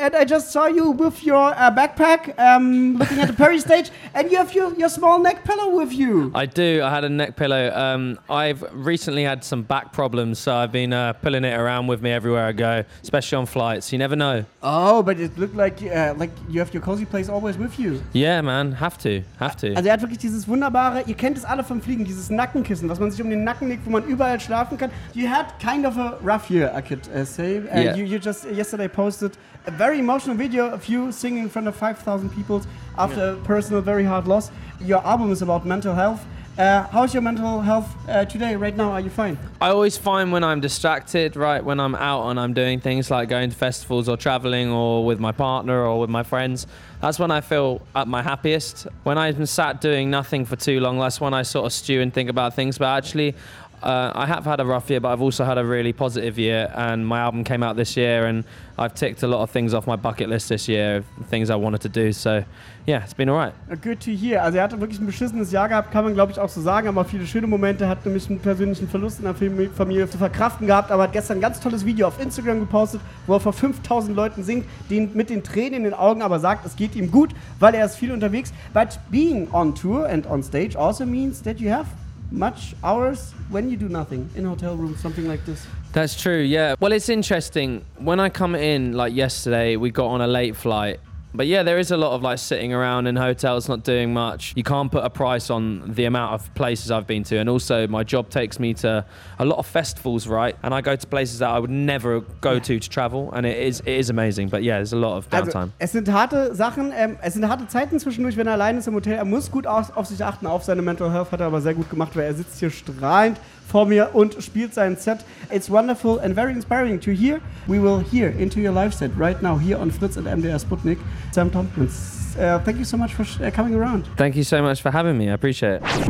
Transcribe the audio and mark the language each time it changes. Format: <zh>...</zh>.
<en>And I just saw you with your backpack looking at the Perry stage. And you have your small neck pillow with you. I do. I had a neck pillow. I've recently had some back problems, so I've been pulling it around with me everywhere I go, especially on flights. You never know. Oh, but it looked like you have your cozy place always with you. Yeah, man, have to.</en> <de>Also er hat wirklich dieses wunderbare, ihr kennt es alle vom Fliegen, dieses Nackenkissen, was man sich um den Nacken legt, wo man überall schlafen kann.</de> <en>You had kind of a rough year, I could say. Yeah. You just yesterday posted a very emotional video of you singing in front of 5,000 people after a personal, very hard loss. Your album is about mental health. How's your mental health today, right now? Are you fine? I always find when I'm distracted, right, when I'm out and I'm doing things like going to festivals or traveling or with my partner or with my friends, that's when I feel at my happiest. When I've been sat doing nothing for too long, that's when I sort of stew and think about things. But actually, I have had a rough year, but I've also had a really positive year. And my album came out this year and I've ticked a lot of things off my bucket list this year, things I wanted to do. So, yeah, it's been alright. Good to hear.</en> <de>Also er hatte wirklich ein beschissenes Jahr gehabt, kann man glaube ich auch so sagen. Aber viele schöne Momente, hat nämlich einen persönlichen Verlust in der Familie zu verkraften gehabt. Aber hat gestern ein ganz tolles Video auf Instagram gepostet, wo er vor 5000 Leuten singt, den mit den Tränen in den Augen aber sagt, es geht ihm gut, weil er ist viel unterwegs.</de> <en>But being on tour and on stage also means that you have much hours when you do nothing in hotel rooms, something like this. That's true, yeah. Well, it's interesting. When I come in, like yesterday, we got on a late flight. But yeah, there is a lot of like sitting around in hotels, not doing much. You can't put a price on the amount of places I've been to. And also my job takes me to a lot of festivals, right? And I go to places that I would never go to travel. And it is amazing. But yeah, there's a lot of downtime.</en> <de>Also, es sind harte Sachen. Es sind harte Zeiten zwischendurch, wenn er allein ist im Hotel. Er muss gut auf sich achten, auf seine Mental Health. Hat er aber sehr gut gemacht, weil er sitzt hier strahlend vor mir und spielt sein Set.</de> <en>It's wonderful and very inspiring to hear. We will hear into your live set right now here on Fritz and MDR Sputnik. Sam Tompkins, thank you so much for coming around. Thank you so much for having me. I appreciate it.</en>